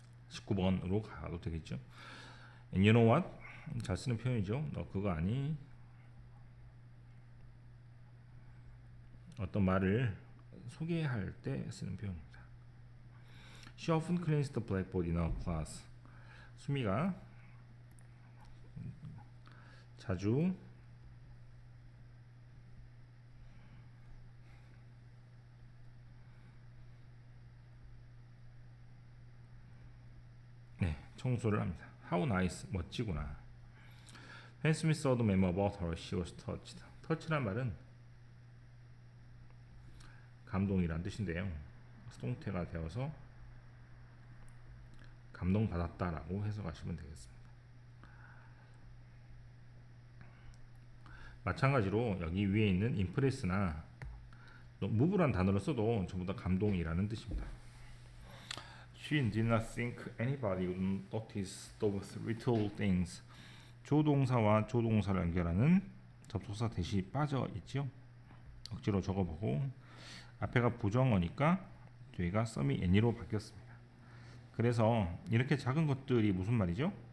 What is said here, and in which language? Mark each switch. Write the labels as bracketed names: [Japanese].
[Korean] 19번으로 가도 되겠죠? [English] And you know what? [Korean] 잘 쓰는 표현이죠? 너 그거 아니? 어떤 말을 소개할 때 쓰는 표현입니다. [English] She often cleans the blackboard in her class. [Korean] 수미가 자주 네, 청소를 합니다. [English] How nice, [Korean] 멋지구나. [English] When Smith saw the memo about her, she was touched. [Korean] Touch란 말은 감동이란 뜻인데요. 수동태가 되어서 감동받았다라고 해석하시면 되겠습니다. 마찬가지로 여기 위에 있는 impress나 move란 단어를 써도 전부 다 감동이라는 뜻입니다. [English] She did not think anybody would notice those little things. [Korean] 조동사와 조동사를 연결하는 접속사 대시 빠져 있죠. 억지로 적어보고 앞에가 부정어니까 뒤가 썸이 any로 바뀌었습니다. 그래서 이렇게 작은 것들이 무슨 말이죠?